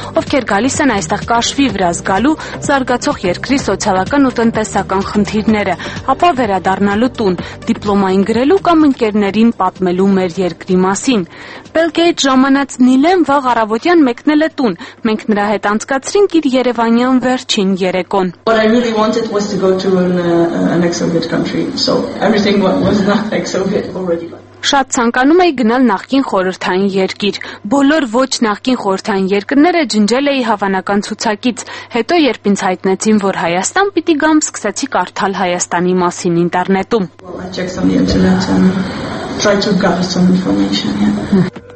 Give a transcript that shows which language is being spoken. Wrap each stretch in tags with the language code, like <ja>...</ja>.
<hy>ովքեր գալիս են այստեղ կաշվի վրա զգալու զարգացող երկրի սոցիալական ու տնտեսական խնդիրները, ապա վերադառնալու տուն, դիպլոմային գրելու կամ ընկերներին պատմելու մեր երկրի մասին։ Բելգիայից ժամանած Նիլեն վաղ առավոտյան մեկնել է տուն, մենք նրա հետ անցկացրինք իր երևանյան վերջին երեկոն։</hy> <en>What I really wanted was to go to an ex-Soviet country, so everything was not ex-Soviet already.</en> <hy>Շատ ցանկանում էի գնալ նախկին խորհրդային երկիր։ Բոլոր ոչ նախկին խորհրդային երկրները ջնջել էի հավանական ցուցակից։ Հետո, երբ ինձ հայտնեցին, որ Հայաստան պիտի գամ, սկսեցի կարդալ Հայաստանի մասին ինտերնետում։</hy>